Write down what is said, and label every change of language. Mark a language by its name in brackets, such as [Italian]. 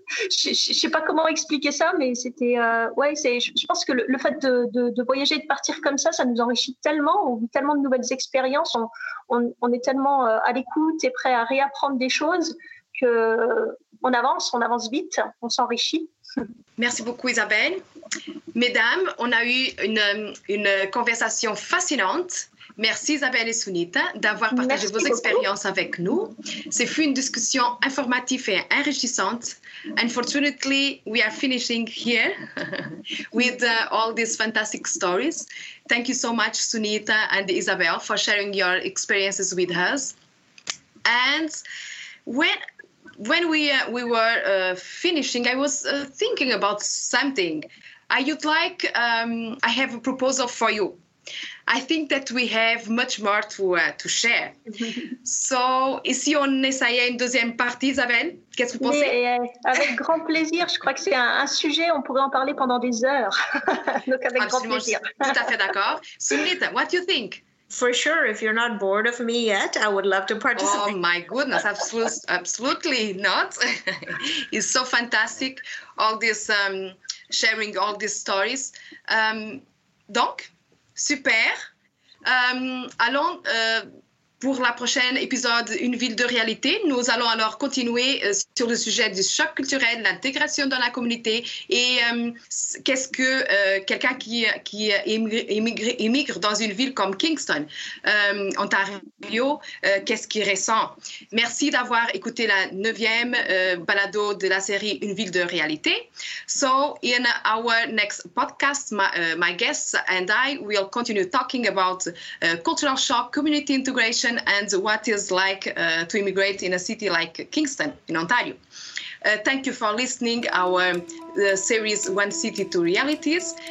[French] Je sais pas comment expliquer ça, mais c'était je pense que le fait de voyager et de partir comme ça nous enrichit tellement, on vit tellement de nouvelles expériences, on est tellement à l'écoute et prêt à réapprendre des choses que on avance vite, on s'enrichit. Merci beaucoup, Isabelle. Mesdames, on a eu une conversation fascinante. Merci, Isabelle et Sunita, d'avoir partagé vos expériences avec nous. C'est fut une discussion informative et enrichissante. [English] Unfortunately, we are finishing here with all these fantastic stories. Thank you so much, Sunita and Isabelle, for sharing your experiences with us. And when we were finishing, I was thinking about something. I have a proposal for you. I think that we have much more to share. [French] So, ici on essayait une deuxième partie, Isabelle. Qu'est-ce que vous pensez? Avec grand plaisir. Je crois que c'est un sujet, on pourrait en parler pendant des heures. Donc avec absolument grand plaisir. Tout à fait d'accord. Sunita, [English] what do you think? For sure, if you're not bored of me yet, I would love to participate. Oh my goodness, absolutely not. It's so fantastic, all this sharing all these stories. [French] Donc, super. Allons pour la prochaine épisode Une ville de réalité. Nous allons alors continuer sur le sujet du choc culturel, l'intégration dans la communauté et qu'est-ce que quelqu'un qui émigre dans une ville comme Kingston, Ontario, qu'est-ce qu'il ressent. Merci d'avoir écouté la 9e balado de la série Une ville de réalité. [English] So, in our next podcast, my guests and I will continue talking about cultural shock, community integration, and what it's like to immigrate in a city like Kingston in Ontario. Thank you for listening to our series One City, Two Realities.